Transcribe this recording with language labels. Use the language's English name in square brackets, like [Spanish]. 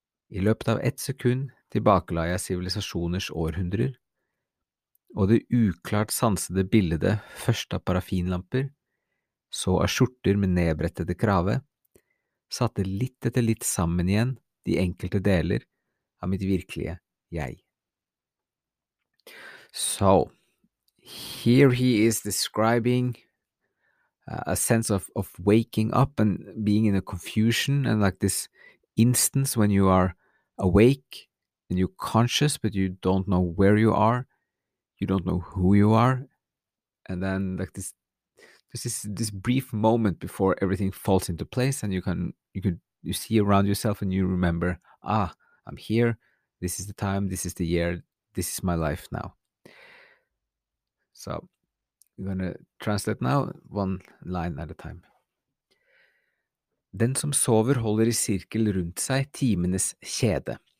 [Norwegian] I løpet av ett sekund tilbakela jeg sivilisasjoners århundrer, og det uklart sansede bildet først av paraffinlamper, så av skjorter med nedbrettede krave, satte litt etter litt sammen igjen de enkelte deler av mitt virkelige jeg. [English] So, here he is describing a sense of waking up and being in a confusion and like this instance when you are awake and you're conscious but you don't know where you are, you don't know who you are, and then like this, this brief moment before everything falls into place and you see around yourself and you remember, ah, I'm here, this is the time, this is the year, this is my life now. So I'm gonna translate now, one line at a time. [Norwegian] Den som sover holder I sirkel rundt seg timenes kjede.